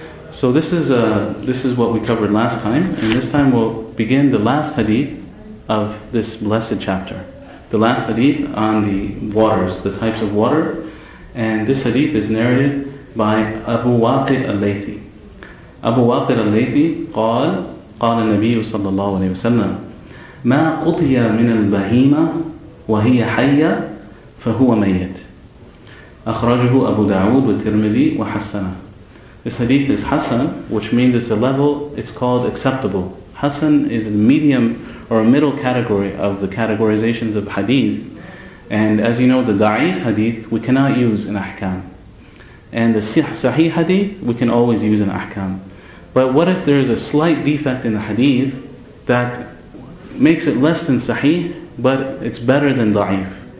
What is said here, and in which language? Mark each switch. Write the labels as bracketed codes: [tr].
[en] So this is what we covered last time, and this time we'll begin the last hadith of this blessed chapter. The last hadith on the waters, the types of water. And this hadith is narrated by Abu Waqid al-Laythi. [ar] Abu Waqid al-Laythi قال قال النبي صلى الله عليه وسلم ما قطي من البهيمة وهي حية فهو ميت أخرجه أبو داود والترمذي وحسنه. [en] This hadith is Hassan, which means it's a level, it's called acceptable. Hassan is a medium or a middle category of the categorizations of hadith. And as you know, the da'if hadith we cannot use in ahkam. And the sahih hadith we can always use in ahkam. But what if there is a slight defect in the hadith that makes it less than sahih, but it's better than da'if?